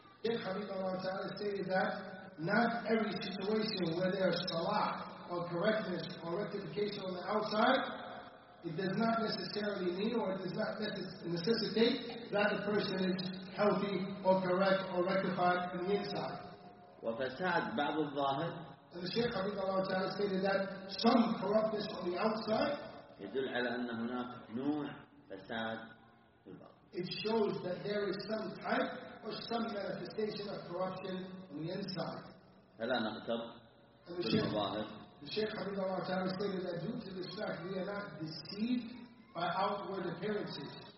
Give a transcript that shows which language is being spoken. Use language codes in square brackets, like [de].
[en] Sheikh Habib Allah Ta'ala stated that not every situation where there is salah or correctness or rectification on the outside, it does not necessarily mean or it does not necessitate that the person is healthy or correct or rectified on the inside. [ar] وفساد بعض الظاهر. [en] And the Shaykh Habib Allah Ta'ala stated that some corruptness on the outside, [ar] يدل على أن هناك نوع فساد في الباطن. [en] It shows that there is some type or some manifestation of corruption on the inside. [ar] فلا نغتر في الظاهر. [en] The Shaykh Habib Allah Ta'ala stated that due to this fact, we are not deceived by outward appearances.